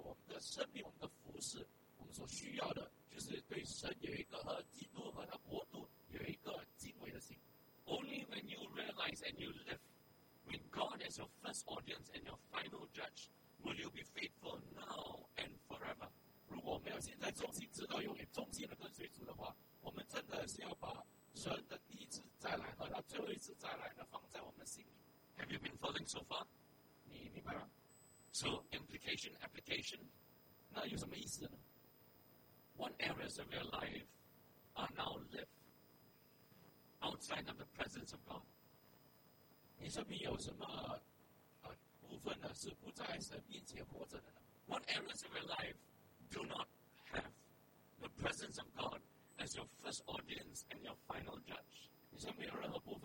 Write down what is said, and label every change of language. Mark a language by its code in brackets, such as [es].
[zh] 所以呢，当我们信徒，特别是牧者，我们的生命，我们的服事。我们所需要的就是对神有一个和基督和他国度有一个敬畏的心。 [en] Only when you realize and you live with God as your first audience and your final judge will you be faithful now and forever. [zh] 如果我们要现在忠心直到永远忠心的跟随主的话，我们真的是要把神的第一次再来和他最后一次再来的放在我们心里。 [en] Have you been following so far? [zh] 你明白吗？ [en] So implication, application, [zh] 那有什么意思呢？ [en] What areas of your life are now left outside of the presence of God? [zh] 你身边有什么部分呢，是不在神面前活着的呢？ [en] What areas of your life do not have the presence of God as your first audience and your final judge?